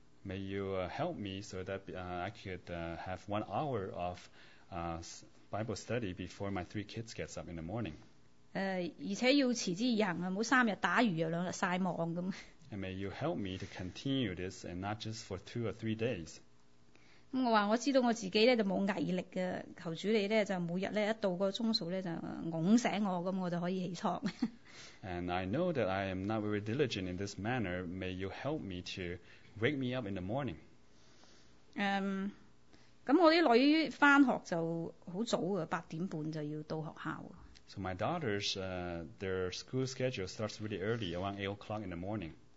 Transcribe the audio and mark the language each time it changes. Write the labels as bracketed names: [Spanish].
[English] May you help me so that I could have 1 hour of Bible study before my 3 kids get up in the morning. [Cantonese] 而且要持之以恒，唔好三日打鱼又两日晒网咁。 [English] And may you help me to continue this and not just for 2 or 3 days. [Cantonese] 咁我话我知道我自己咧就冇毅力嘅，求主你咧就每日咧一到个钟数咧就拱醒我，咁我就可以起床。 [English] And I know that I am not very diligent in this manner. May you help me to wake me up in the morning. [Cantonese] 咁我啲女翻學就好早啊，八點半就要到學校。 [English] So my daughters, their school schedule starts really early, around 8 o'clock in the morning.